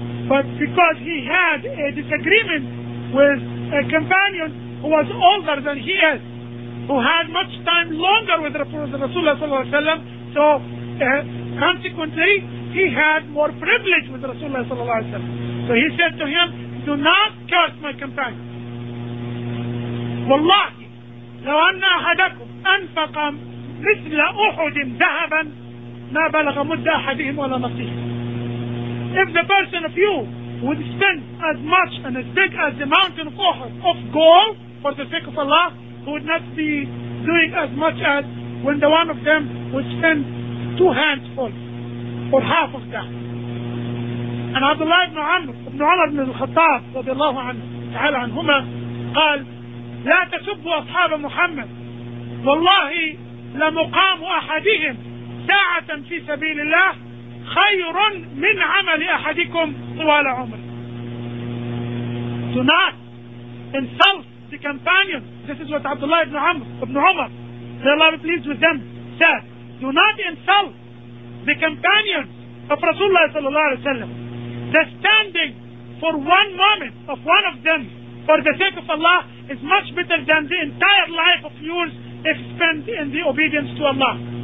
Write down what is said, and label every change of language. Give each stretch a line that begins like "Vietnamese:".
English: But because he had a disagreement with a companion who was older than he is, who had much time longer with Rasulullah sallallahu alayhi wa sallam, so consequently, he had more privilege with Rasulullah sallallahu alayhi wa sallam. So he said to him, do not curse my companion.
Arabic: Wallahi, لو أن أحدكم أنفق مثل أحد ذهبا ما بلغ مد أحدهم ولا نصيب.
English: If the person of you would spend as much and as big as the mountain of Uhud of gold for the sake of Allah, he would not be doing as much as when the one of them would spend two hands full or half of that.
Arabic: And Abdullah ibn Amr, ibn Umar ibn al-Khattab رضي الله عنهما قال لا تسبوا أصحاب محمد والله لمقام أحدهم ساعة في سبيل الله خير من عمل أحدكم طوال عمره.
English: Do not insult the companions. This is what Abdullah ibn Amr, ibn Umar, may Allah be pleased with them, said. Do not insult the companions of Rasulullah sallallahu alayhi wa sallam. The standing for one moment of one of them for the sake of Allah is much better than the entire life of yours if spent in the obedience to Allah.